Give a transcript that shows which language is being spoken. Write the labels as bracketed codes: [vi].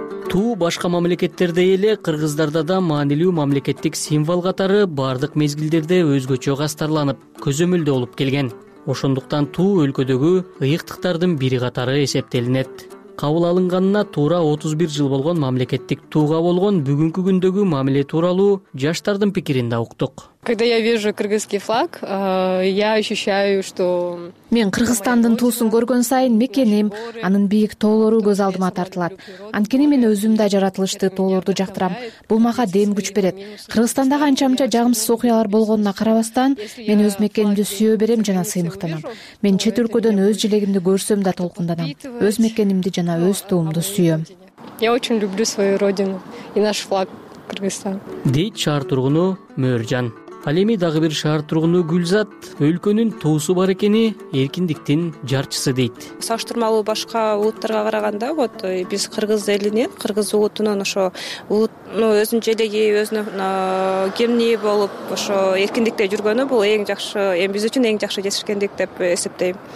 [ky] Туу башка мамлекеттерде эле кыргыздарда да маанилүү мамлекеттик символ катары бардык мезгилдерде өзгөчө кастарланып, көзөмөлдө болуп келген. Ошондуктан туу өлкөдөгү ыйыктыктардын бири катары эсептелинет. Кабыл алынганына туура 31 жыл болгон мамлекеттик тууга болгон бүгүнкү күндөгү мамиле тууралуу жаштардын пикирин да уктук. [ru] Когда я вижу кыргызский флаг, я ощущаю, что [ky] мен Кыргызстандын туусун көргөн сайын мекеним, анын бийик тоолору көз алдыма тартылат. Анткени мен өзүм да жаратылышты тоолорду жактырам. Бул мага дем күч берет. Кыргызстандагы анча-мынча жагымсыз окуялар болгонуна карабастан, мен өз мекенимди сүйө берем жана сыймыктанам. Мен чет өлкөдөн өз желегимди көрсөм да толкунданам. Өз мекенимди жана өз туумду сүйөм. [ru] Я очень люблю свою родину и наш флаг. [ky] Кыргызстан. Дейт шаар тургуну Мөржан. Ал эми дагы бир шаар тургуну Гүлзат өлкөнүн туусу бар экени эркиндиктин жарчысы дейт. Салыштырмалуу башка улуттарга караганда вот биз кыргыз элинин, кыргыз улутунун ошо өзүнүн желеги, өзүнүн кимдиги болуп ошо эркиндикте жүргөнү бул эң жакшы, эми биз үчүн эң жакшы жетишкендик деп эсептейм.